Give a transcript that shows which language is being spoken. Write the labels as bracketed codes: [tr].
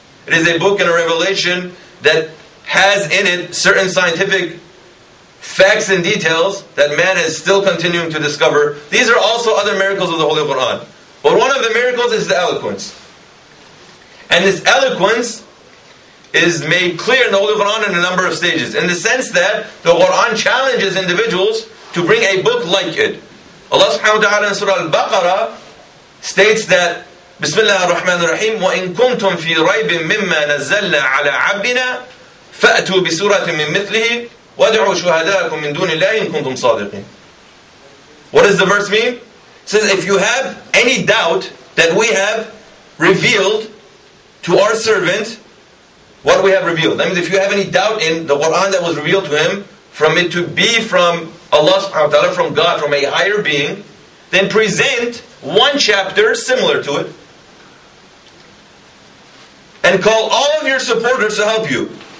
[en] It is a book and a revelation that has in it certain scientific facts and details that man is still continuing to discover. These are also other miracles of the Holy Quran. But one of the miracles is the eloquence. And this eloquence is made clear in the Holy Quran in a number of stages. In the sense that the Quran challenges individuals to bring a book like it. Allah subhanahu wa ta'ala in Surah Al-Baqarah states that Bismillah ar-Rahman ar-Rahim [ar] وَإِن كُنْتُمْ فِي رَيْبٍ مِمَّا نَزَّلْنَا عَلَىٰ عَبِّنَا فَأْتُوا بِسُورَةٍ مِّن مِثْلِهِ وَدْعُوا شُهَدَاءَكُمْ مِن دُونِ اللَّهِ إِن كُنْتُمْ صَادِقِينَ. [en] What does the verse mean? It says, if you have any doubt that we have revealed to our servant what we have revealed. That means if you have any doubt in the Quran that was revealed to him, from it to be from Allah subhanahu wa ta'ala, from God, from a higher being, then present one chapter similar to it and call all of your supporters to help you.